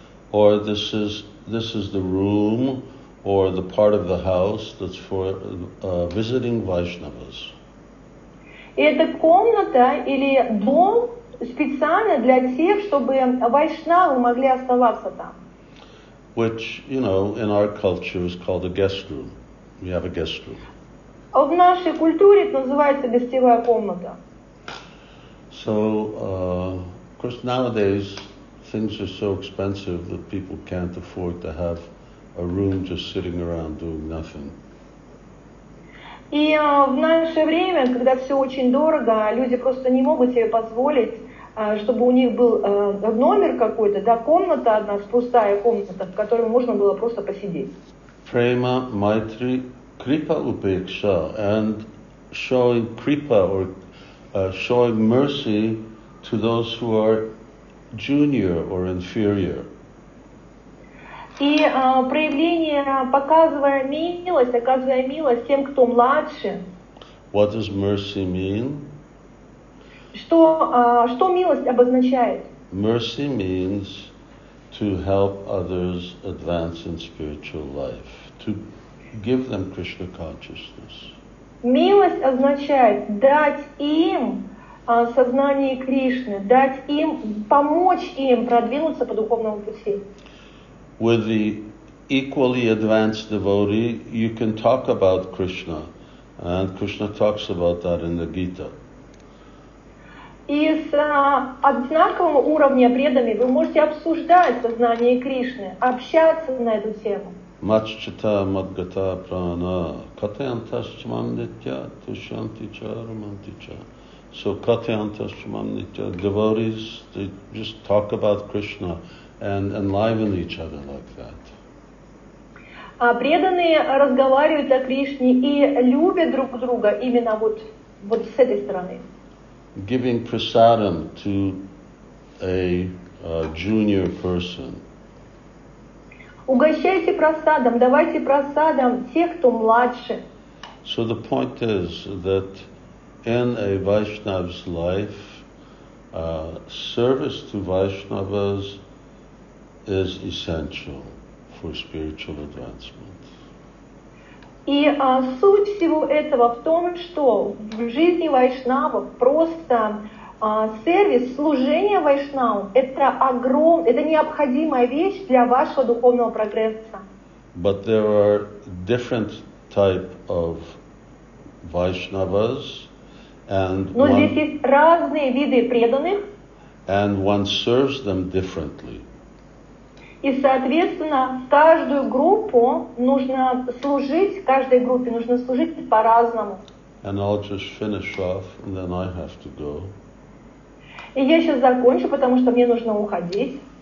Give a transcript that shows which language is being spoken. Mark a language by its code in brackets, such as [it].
[en] Or this is the room or the part of the house that's for visiting Vaishnavas. [ru] Это комната или дом специально для тех, чтобы вайшнавы могли оставаться там. [en] Which, you know, in our culture is called a guest room. We have a guest room. [ru] А в нашей культуре это называется гостевая комната. [en] So, of course, nowadays things are so expensive that people can't afford to have a room just sitting around doing nothing. [ru] И в наше время, когда все очень дорого, люди просто не могут себе позволить, чтобы у них был номер какой-то, да, комната одна, пустая комната, в которой можно было просто посидеть. [en] Prema, maitri, kripa, upeksha, and showing kripa or showing mercy to those who are junior or inferior. [ru] И проявление, оказывая милость тем, кто младше. [en] What does mercy mean? [ru] Что милость обозначает? [en] Mercy means to help others advance in spiritual life, to give them Krishna consciousness. [ru] Милость означает дать им сознание Кришны, дать им, помочь им продвинуться по духовному пути. [en] With the equally advanced devotee, you can talk about Krishna, and Krishna talks about that in the Gita. [ru] Из одинакового уровня преданный вы можете обсуждать сознание Кришны, общаться на эту тему. [sa] Маччита мадгата прана катаянташчамам нитья тушантича романтича. [en] So [sa] катаянташчамам нитья, [en] devotees, they just talk about Krishna and enliven each other like that. [ru] Преданные разговаривают о Кришне и любят друг друга именно вот с этой стороны. [en] Giving prasadam to a junior person. [ru] Угощайте прасадам, давайте прасадам тех, кто младше. [en] So the point is that in a Vaishnava's life, service to Vaishnavas is essential for spiritual advancement. [ru] И суть всего этого в том, что в жизни вайшнавов просто сервис, служение вайшнавам — это необходимая вещь для вашего духовного прогресса. [en] But there are different type of vaiṣṇavas, and [ru] но здесь есть разные виды преданных. [en] And one serves them differently. [ru] И, соответственно, каждую группу нужно служить, каждой группе нужно служить по-разному. [en] And I'll just finish off, and then I have to go. [ru] И я сейчас закончу, потому что мне нужно уходить.